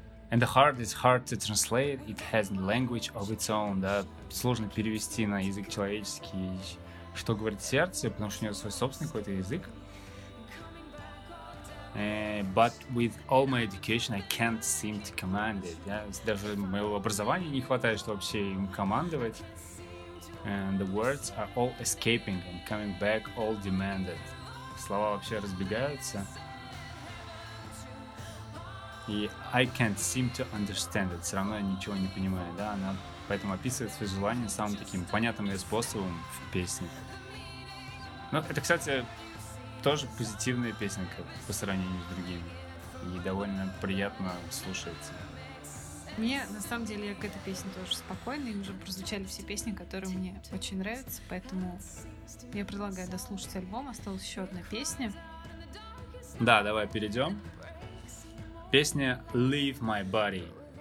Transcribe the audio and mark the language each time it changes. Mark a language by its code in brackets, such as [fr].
[en] And the heart is hard to translate, it has language of its own, [ru] да, сложно перевести на язык человеческий, что говорит сердце, потому что у нее свой собственный какой-то язык. [en] But with all my education, I can't seem to command it. Yeah? [ru] Даже моего образования не хватает, чтобы вообще им командовать. [en] And the words are all escaping and coming back all demanded. [ru] Слова вообще разбегаются. И [en] I can't seem to understand it. [ru] Все равно я ничего не понимаю. Да? Она поэтому описывает свои желания самым таким понятным ее способом в песне. Ну, это, кстати, тоже позитивная песенка по сравнению с другими. И довольно приятно слушается. Мне, на самом деле, я к этой песне тоже спокойна. И уже прозвучали все песни, которые мне очень нравятся. Поэтому я предлагаю дослушать альбом. Осталась еще одна песня. Да, давай перейдем. Песня «Leave My Body».